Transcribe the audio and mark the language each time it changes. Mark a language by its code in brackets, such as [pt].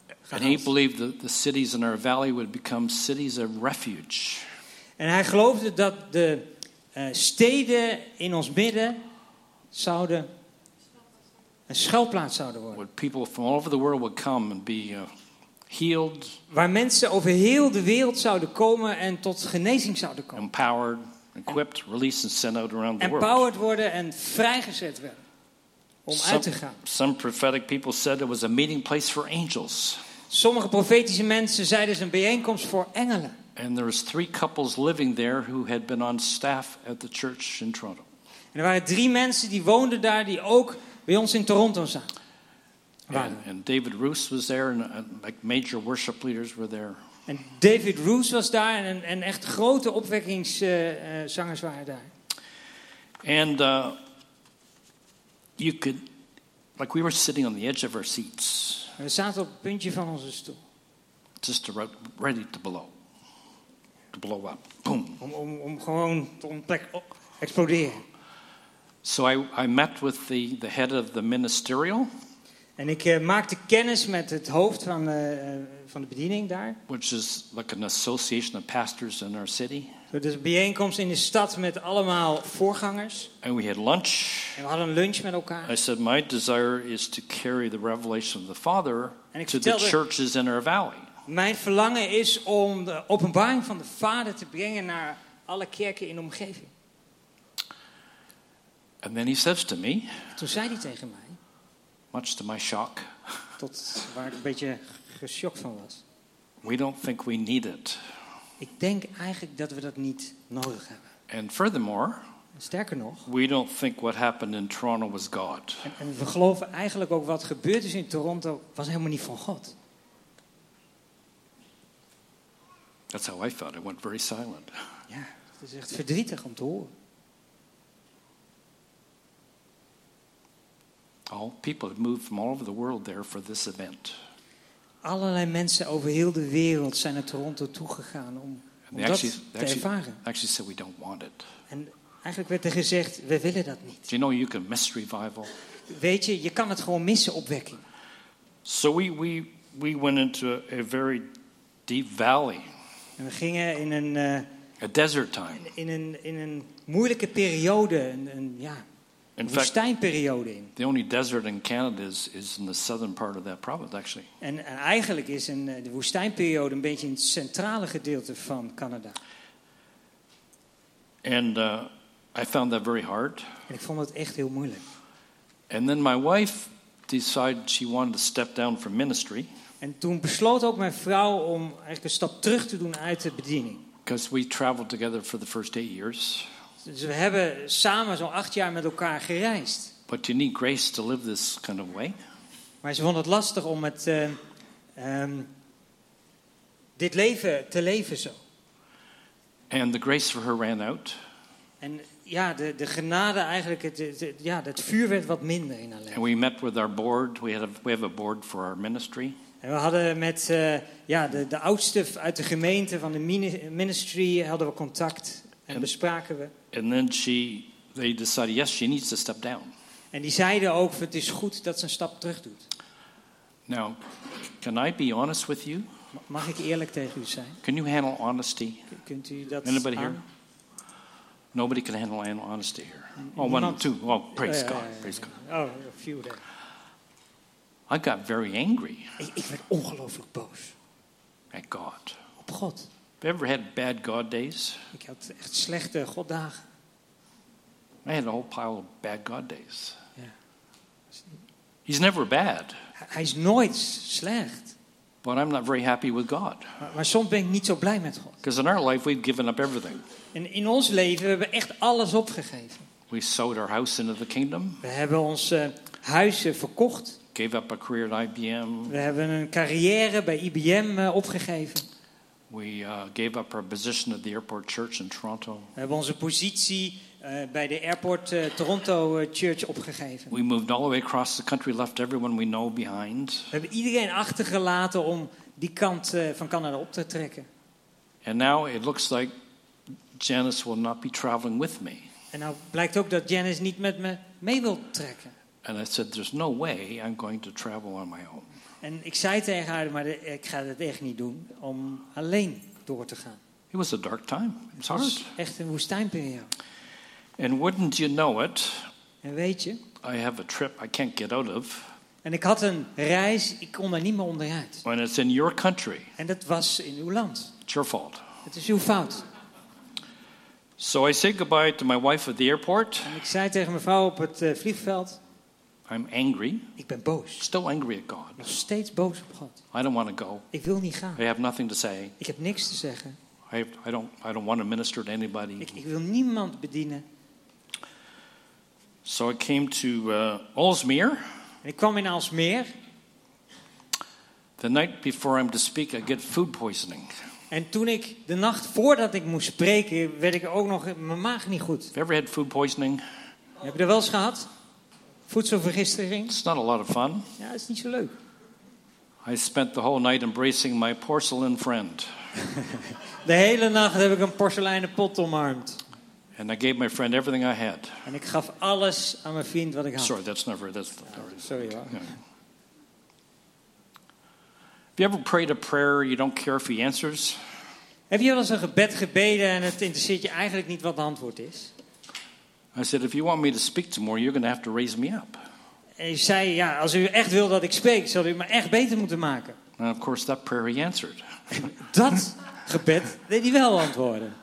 [en] And he believed that the cities in our valley would become cities of refuge. [nl] En hij geloofde dat de steden in ons midden zouden een schuilplaats zouden worden. [en] Where people from all over the world would come and be healed, [nl] waar mensen over heel de wereld zouden komen en tot genezing zouden komen. [en] Empowered, equipped, released and sent out around the world. [nl] Empowered worden en vrijgezet werden om uit te gaan. [en] Some prophetic people said it was a meeting place for angels. [nl] Sommige profetische mensen zeiden het een bijeenkomst voor engelen. [en] And there was three couples living there who had been on staff at the church in Toronto. [nl] En er waren drie mensen die woonden daar die ook bij ons in Toronto zaten. [en] And David Roos was there, and like major worship leaders were there. [nl] En David Roos was daar en echt grote opwekkingszangers waren daar. [en] And you could, like we were sitting on the edge of our seats. [nl] We zaten op het puntje van onze stoel. [en] Just to ready to blow. To blow up. Boom. [nl] Om gewoon te ontplek, exploderen. [en] So I met with the head of the ministerial. [nl] En ik maakte kennis met het hoofd van de bediening daar. [en] Which is like an association of pastors in our city. [nl] So, dus een bijeenkomst in de stad met allemaal voorgangers. [en] And we had lunch. [nl] En we hadden lunch met elkaar. [en] I said, my desire is to carry the revelation of the Father to the churches in our valley. [nl] Mijn verlangen is om de openbaring van de Vader te brengen naar alle kerken in de omgeving. [en] And then he says to me, [nl] toen zei hij tegen mij, [en] much to my shock, [nl] tot waar ik een beetje geschokt van was. [en] We don't think we need it. [nl] Ik denk eigenlijk dat we dat niet nodig hebben. [en] And furthermore, [nl] sterker nog, [en] we don't think what happened in Toronto was God. [nl] En we geloven eigenlijk ook wat gebeurd is in Toronto was helemaal niet van God. [en] That's how I felt. I went very silent. [nl] Ja, het is echt verdrietig om te horen. [en] All people have moved from all over the world there for this event. [nl] Allerlei mensen over heel de wereld zijn naar Toronto toegegaan om dat te ervaren. [en] Actually said we don't want it. [nl] En eigenlijk werd er gezegd, we willen dat niet. [en] Do you know you can miss revival? [nl] Weet je, je kan het gewoon missen, opwekking. [en] So we went into a very deep valley. [nl] En we gingen in een [en] a desert time. [nl] In een moeilijke periode, een woestijnperiode in. [en] The only desert in Canada is in the southern part of that province, actually. [nl] En eigenlijk is de woestijnperiode een beetje in het centrale gedeelte van Canada. [en] And I found that very hard. [nl] En ik vond het echt heel moeilijk. [en] And then my wife decided she wanted to step down from ministry. [nl] En toen besloot ook mijn vrouw om eigenlijk een stap terug te doen uit de bediening. [en] Because we traveled together for the first 8 years. [nl] Dus we hebben samen zo'n 8 jaar met elkaar gereisd. [en] But you need grace to live this kind of way. [nl] Maar ze vond het lastig om het dit leven te leven zo. [en] And the grace for her ran out. [nl] En ja, de genade eigenlijk, het vuur werd wat minder in haar leven. [en] And we met with our board. We have a board for our ministry. [nl] En we hadden met de oudste uit de gemeente van de ministry hadden we contact en bespraken we. [en] And then they decided, yes, she needs to step down. [nl] En die zeiden ook, het is goed dat ze een stap terug doet. [en] Now, can I be honest with you? [nl] Mag ik eerlijk tegen u zijn? [en] Can you handle honesty? [nl] Kunt u dat [en] anybody [nl] aan? [en] Here? Nobody can handle honesty here. Oh, one, two. Oh, praise God. Praise God. Oh, a few there. I got very angry. [nl] Ik werd ongelooflijk boos. [en] At God. [nl] Op God. [en] Have you ever had bad God days? [nl] Ik had echt slechte Goddagen. [en] I had a whole pile of bad God days. Yeah. He's never bad. [nl] Hij is nooit slecht. [en] But I'm not very happy with God. [nl] Maar soms ben ik niet zo blij met God. [en] Because in our life we've given up everything. [nl] En in ons leven hebben we echt alles opgegeven. [en] We sold our house into the kingdom. [nl] We hebben onze huizen verkocht. [en] Gave up a career at IBM. [nl] We hebben een carrière bij IBM opgegeven. [en] We gave up our position at the airport church in Toronto. [nl] We hebben onze positie bij de airport Toronto church opgegeven. [en] We moved all the way across the country, left everyone we know behind. [nl] We hebben iedereen achtergelaten om die kant van Canada op te trekken. [en] And now it looks like Janice will not be traveling with me. [nl] En nou blijkt ook dat Janice niet met me mee wil trekken. [en] And I said, there's no way I'm going to travel on my own. [nl] En ik zei tegen haar, maar ik ga het echt niet doen om alleen door te gaan. [en] It was a dark time. It was hard. [nl] Echt een woestijnperiode. [en] And wouldn't you know it? [nl] En weet je? [en] I have a trip I can't get out of. [nl] En ik had een reis, ik kon daar niet meer onderuit. [en] When it's in your country. [nl] En dat was in uw land. [en] It's your fault. [nl] Het is uw fout. [en] So I said goodbye to my wife at the airport. [nl] En ik zei tegen mijn vrouw op het vliegveld. [en] I'm angry. [nl] Ik ben boos. [en] Still angry at God. [nl] Nog steeds boos op God. [en] I don't want to go. [nl] Ik wil niet gaan. [en] I have nothing to say. [nl] Ik heb niks te zeggen. [en] I don't want to minister to anybody. [nl] Ik wil niemand bedienen. [en] So I came to Alsmeer. [nl] En ik kwam in Alsmeer. [en] The night before I'm to speak, I get food poisoning. [nl] En toen ik de nacht voordat ik moest spreken, werd ik ook nog mijn maag niet goed. [en] Have you ever had food poisoning? [nl] Heb je dat wel eens gehad? Voedselvergiftiging. [en] It's not a lot of fun. [nl] Ja, dat is niet zo leuk. [en] I spent the whole night embracing my porcelain friend. [nl] De hele nacht heb ik een porseleinen pot omarmd. [en] And I gave my friend everything I had. [nl] En ik gaf alles aan mijn vriend wat ik had. [en] Sorry, that's never. That's the, sorry. Have you ever prayed a prayer you don't care if he answers? [nl] Heb je wel eens een gebed gebeden en het interesseert je eigenlijk niet wat de antwoord is? [en] I said, if you want me to speak tomorrow, you're going to have to raise me up. [nl] En hij zei, ja, als u echt wil dat ik spreek, zal u me echt beter moeten maken. [en] And of course, that prayer he answered. [nl] Dat gebed deed hij wel antwoorden.